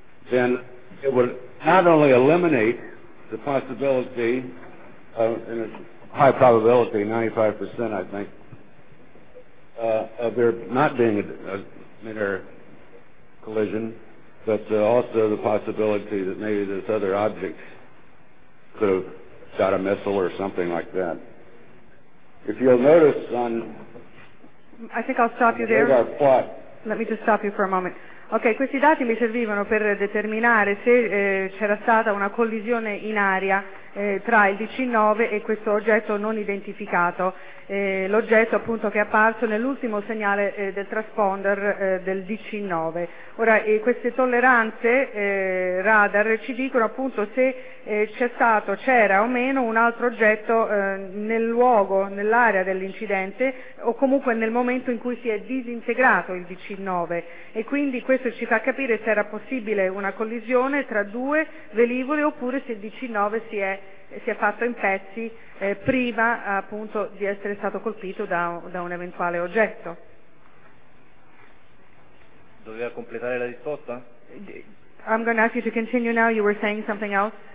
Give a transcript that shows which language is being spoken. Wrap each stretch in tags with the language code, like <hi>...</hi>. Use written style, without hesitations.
<en>then it would not only eliminate the possibility, in a high probability, 95% I think, of there not being a mid-air collision, but also the possibility that maybe this other object could have shot a missile or something like that. If you'll notice on... I think I'll stop you there. Let me just stop you for a moment.</en> <it>Ok, questi dati mi servivano per determinare se c'era stata una collisione in aria tra il DC-9 e questo oggetto non identificato, l'oggetto appunto che è apparso nell'ultimo segnale del transponder del DC-9. Ora, queste tolleranze radar ci dicono appunto se c'era o meno un altro oggetto nel luogo, nell'area dell'incidente o comunque nel momento in cui si è disintegrato il DC-9, e quindi questo ci fa capire se era possibile una collisione tra due velivoli oppure se il DC-9 si è fatto in pezzi prima appunto di essere stato colpito da un eventuale oggetto. Doveva completare la risposta?</it> <en>I'm going to ask you to continue now. You were saying something else.</en>